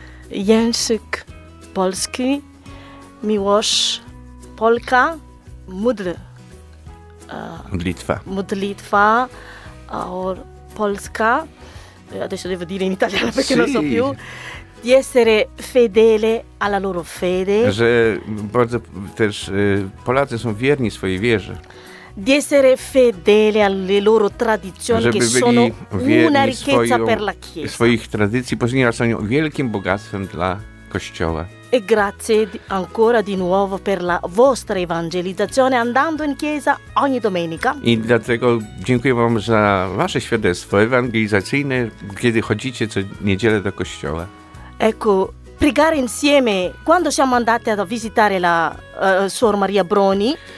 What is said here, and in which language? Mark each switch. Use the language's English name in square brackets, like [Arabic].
[Polish] Język polski, miłość Polka, modlitwa. Modlitwa Polska, [Italian] adesso devo dire in italiano perché non so più, di essere fedele alla loro fede. [Polish] Że bardzo też Polacy są wierni swojej wierze. [Italian] Di essere fedele alle loro tradizioni, [Polish] żeby [Italian] che sono una ricchezza per la Chiesa. [Polish] Swoich tradycji, ponieważ są wielkim bogactwem dla Kościoła. [Italian] E grazie ancora di nuovo per la vostra evangelizzazione andando in chiesa ogni domenica. [Polish] I dlatego dziękuję wam za wasze świadectwo ewangelizacyjne, kiedy chodzicie co niedzielę do Kościoła. [Italian] Ecco, pregare insieme, quando siamo andati a visitare la Suor Maria Broni,